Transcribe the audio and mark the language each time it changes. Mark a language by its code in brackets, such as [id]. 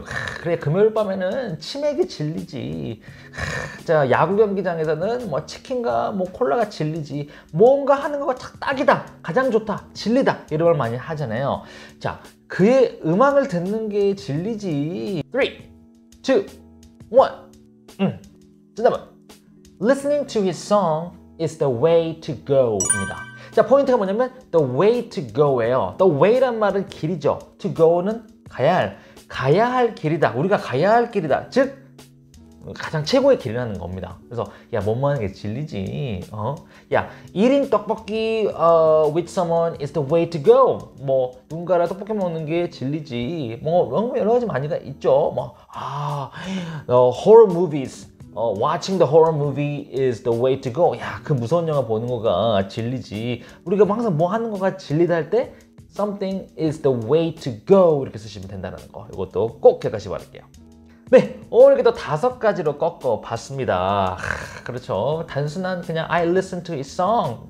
[ko] 아, 그래 금요일 밤에는 치맥이 진리지. 아, 자 야구 경기장에서는 뭐 치킨과 뭐 콜라가 진리지. 뭔가 하는 거가 딱 딱이다. 가장 좋다. 진리다. 이런 말 많이 하잖아요. 자 그의 음악을 듣는 게 진리지. 3, 2, 1. 지난번 [en] Listening to his song is the way to go [ko] 입니다. 자 포인트가 뭐냐면 [en] the way to go [ko] 예요. [en] the way [ko] 란 말은 길이죠. to go는 가야 할 길이다. 우리가 가야 할 길이다. 즉 가장 최고의 길이라는 겁니다. 그래서 야 뭐 하는 게 진리지. 어? 야 1인 [en] 떡볶이 with someone is the way to go. [ko] 뭐 누군가랑 떡볶이 먹는 게 진리지. 뭐 여러 가지 많이가 있죠. 뭐 아 horror movies. [en] Watching the horror movie is the way to go. [ko] 야, 그 무서운 영화 보는 거가 진리지. 우리가 항상 뭐 하는 거가 진리다 할 때 [en] something is the way to go [ko] 이렇게 쓰시면 된다는 거. 이것도 꼭 기억하시기 바랄게요. 네, 오늘 이렇게 또 다섯 가지로 꺾어봤습니다. 그렇죠. 단순한 그냥 [en] I listen to his song.